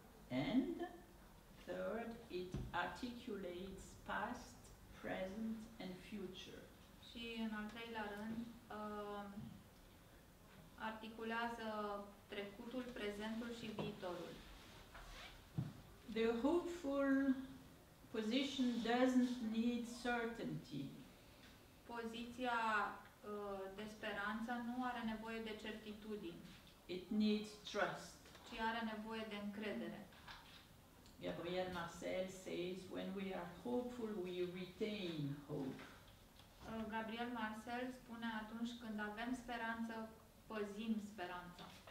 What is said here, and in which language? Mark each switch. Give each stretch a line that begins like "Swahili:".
English: And third, it articulates past, present and future.
Romanian: Și în al treilea rând, articulează trecutul, prezentul și viitorul.
English: The hopeful position doesn't need certainty.
Romanian: Poziția de speranță nu are nevoie de certitudini.
English: It needs trust.
Romanian: Ci are nevoie de încredere.
English: Gabriel Marcel says, when we are hopeful, we retain hope.
Romanian: Gabriel Marcel spune, atunci când avem speranță, păzim speranța.